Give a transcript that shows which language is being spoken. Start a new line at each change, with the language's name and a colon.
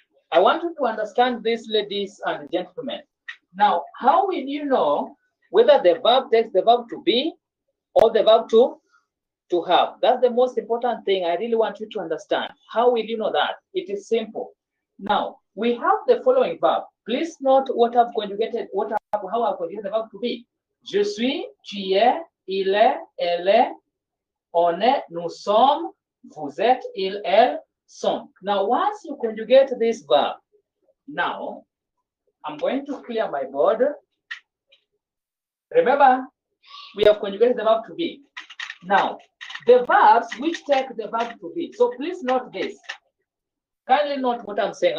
English: I want you to understand this, ladies and gentlemen. Now, how will you know whether the verb takes the verb to be or the verb to have? That's the most important thing I really want you to understand. How will you know that? It is simple. Now, we have the following verb. Please note what I've conjugated, how I've conjugated the verb to be.
French: Je suis, tu es, il est, elle est, on est, nous sommes, vous êtes, ils, elles sont.
English: Now, once you conjugate this verb, now I'm going to clear my board. Remember, we have conjugated the verb to be. Now, the verbs which take the verb to be. So please note this. Kindly note what I'm saying.